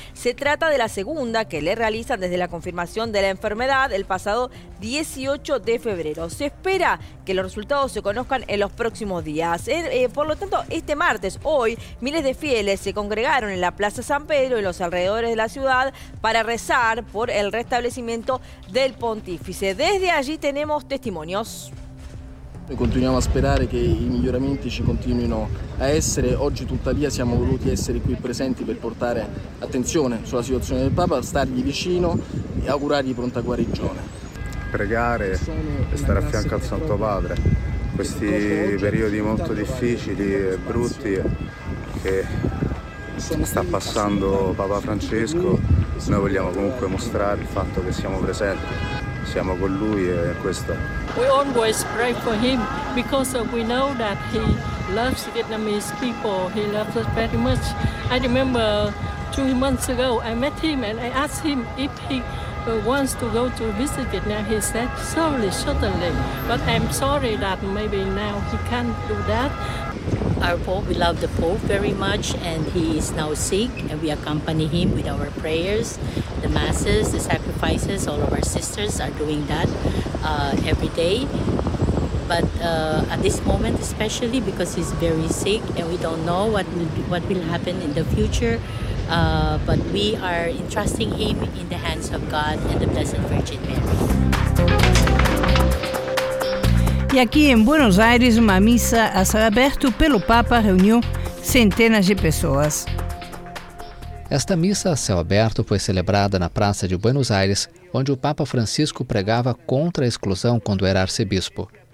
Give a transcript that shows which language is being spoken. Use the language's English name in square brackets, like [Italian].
[Spanish] Se trata de la segunda que le realizan desde la confirmación de la enfermedad el pasado 18 de febrero. Se espera que los resultados se conozcan en los próximos días. Por lo tanto, este martes, hoy, miles de fieles se congregaron en la Plaza San Pedro y los alrededores de la ciudad para rezar por el restablecimiento del pontífice. Desde allí tenemos testimonios. [Italian] Continuiamo a sperare che i miglioramenti ci continuino a essere. Oggi tuttavia siamo voluti essere qui presenti per portare attenzione sulla situazione del Papa, stargli vicino e augurargli pronta guarigione. Pregare e stare a fianco al Santo Padre. Questi periodi molto difficili e brutti che sta passando Papa Francesco, noi vogliamo comunque mostrare il fatto che siamo presenti, siamo con lui e questo. [English] We always pray for him because we know that he loves Vietnamese people, he loves us very much. I remember 2 months ago I met him and I asked him if he wants to go to visit Vietnam. He said surely, certainly, but I'm sorry that maybe now he can't do that. Our Pope, we love the Pope very much, and he is now sick, and we accompany him with our prayers, the masses, the sacrifices. All of our sisters are doing that every day. But at this moment, especially because he's very sick, and we don't know what will happen in the future. But we are entrusting him in the hands of God and the Blessed Virgin Mary. [Portuguese] E aqui em Buenos Aires, uma missa a céu aberto pelo Papa reuniu centenas de pessoas. Esta missa a céu aberto foi celebrada na Praça de Buenos Aires, onde o Papa Francisco pregava contra a exclusão quando era arcebispo.